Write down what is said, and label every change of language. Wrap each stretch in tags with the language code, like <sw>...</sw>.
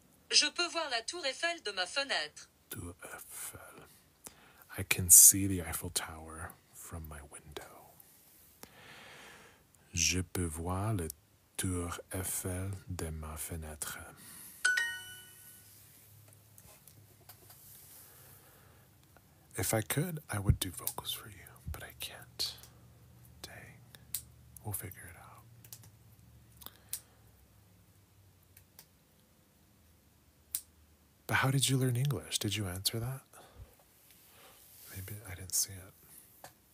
<fr>Je peux voir la tour Eiffel de ma fenêtre. Tour Eiffel.</fr> <en>I can see the Eiffel Tower from my window.</en> <fr>Je peux voir la tour Eiffel de ma fenêtre.</fr> <en>If I could, I would do vocals for you, but I can't. Dang. We'll figure it out. But how did you learn English? Did you answer that? Maybe I didn't see it.</en>